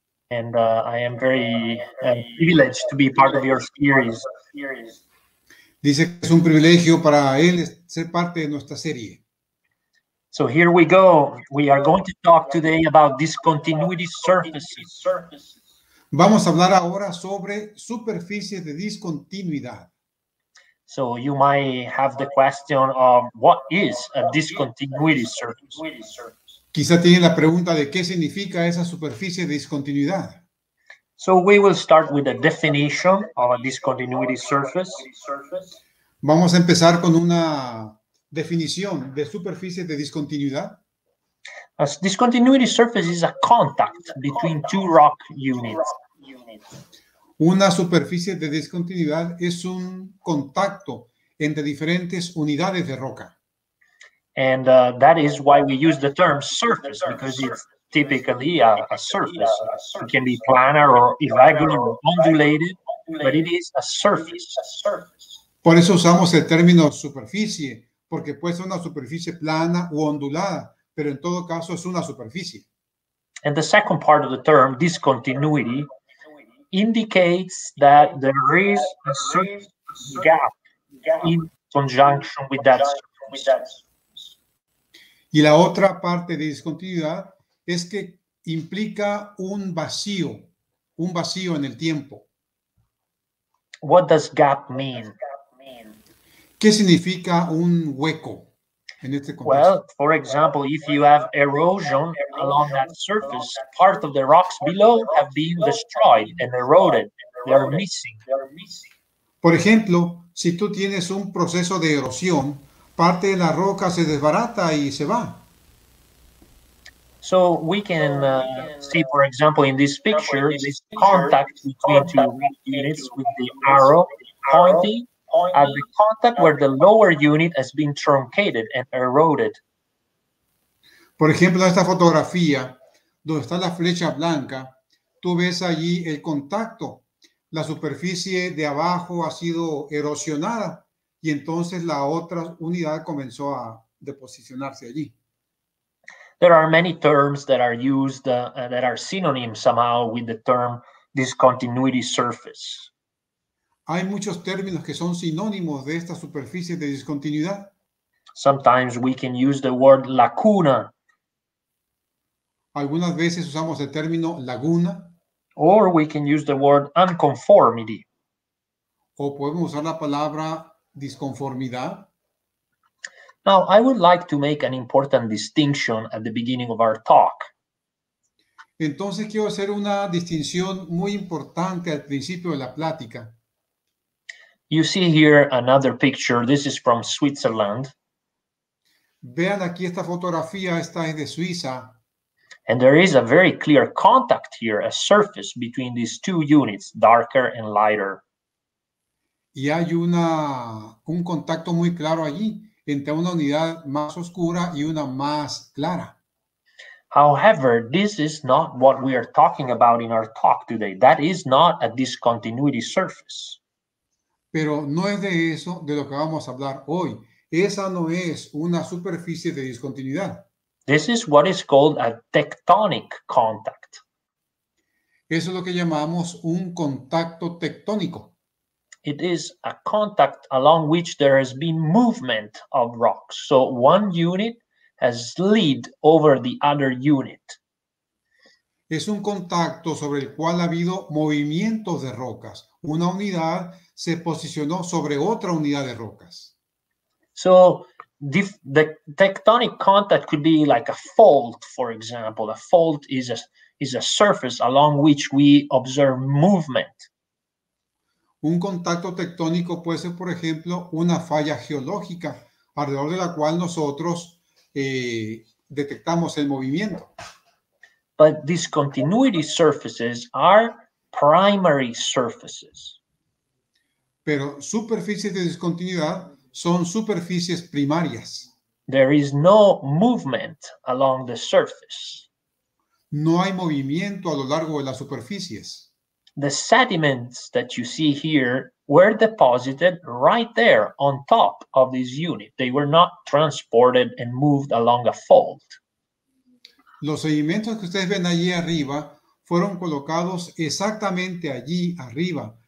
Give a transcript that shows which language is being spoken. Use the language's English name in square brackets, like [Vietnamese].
[English] And I am very privileged to be part of your series. [Spanish] Dice que es un privilegio para él ser parte de nuestra serie. [English] So here we go. We are going to talk today about discontinuity surfaces. [Spanish] Vamos a hablar ahora sobre superficies de discontinuidad. [English] So you might have the question of what is a discontinuity surface. [Spanish] Quizá tiene la pregunta de qué significa esa superficie de discontinuidad. [English] So we will start with a definition of a discontinuity surface. [Spanish] Vamos a empezar con una definición de superficie de discontinuidad. [English] A discontinuity surface is a contact between two rock units. [Spanish] Una superficie de discontinuidad es un contacto entre diferentes unidades de roca. [English] And that is why we use the term surface, because it's typically a surface. It can be planar or irregular or undulated, but it is a surface. [Spanish] Por eso usamos el término superficie, porque puede ser una superficie plana u ondulada, pero en todo caso es una superficie. [English] And the second part of the term, discontinuity, indicates that there is a surface gap in conjunction with that surface. [Spanish] Y la otra parte de discontinuidad es que implica un vacío en el tiempo. [English] What does gap mean? [Spanish] ¿Qué significa un hueco en este contexto? [English] Well, for example, if you have erosion along that surface, part of the rocks below have been destroyed and eroded. They are missing. [Spanish] Por ejemplo, si tú tienes un proceso de erosión, parte de la roca se desbarata y se va. [English] So we can see, for example, in this picture, this contact between two units with the arrow pointing at the contact where the lower unit has been truncated and eroded. [Spanish] Por ejemplo, en esta fotografía, donde está la flecha blanca, tú ves allí el contacto. La superficie de abajo ha sido erosionada y entonces la otra unidad comenzó a deposicionarse allí. [English] There are many terms that are used that are synonyms somehow with the term discontinuity surface. [Spanish] Hay muchos términos que son sinónimos de esta superficie de discontinuidad. [English] Sometimes we can use the word lacuna. [Spanish] Algunas veces usamos el término laguna. [English] Or we can use the word unconformity. [Spanish] O podemos usar la palabra disconformidad. [English] Now, I would like to make an important distinction at the beginning of our talk. [Spanish] Entonces, quiero hacer una distinción muy importante al principio de la plática. [English] You see here another picture. This is from Switzerland. [Spanish] Vean aquí esta fotografía. Esta es de Suiza. [English] And there is a very clear contact here, a surface between these two units, darker and lighter. [Spanish] Y hay un contacto muy claro allí, entre una unidad más oscura y una más clara. [English] However, this is not what we are talking about in our talk today. That is not a discontinuity surface. [Spanish] Pero no es de eso de lo que vamos a hablar hoy. Esa no es una superficie de discontinuidad. [English] This is what is called a tectonic contact. [Spanish] Eso es lo que llamamos un contacto tectónico. [English] It is a contact along which there has been movement of rocks. So one unit has slid over the other unit. [Spanish] Es un contacto sobre el cual ha habido movimientos de rocas. Una unidad se posicionó sobre otra unidad de rocas. [English] So the tectonic contact could be like a fault, for example. A fault is a surface along which we observe movement. [Spanish] Un contacto tectónico puede ser, por ejemplo, una falla geológica alrededor de la cual nosotros detectamos el movimiento. [English] But discontinuity surfaces are primary surfaces. [Spanish] Pero superficies de discontinuidad son superficies primarias. [English] There is no movement along the surface. [Spanish] No hay movimiento a lo largo de las superficies. [English] The sediments that you see here were deposited right there on top of this unit. They were not transported and moved along a fault. [Spanish] Los sedimentos que ustedes ven allí arriba fueron colocados exactamente allí arriba.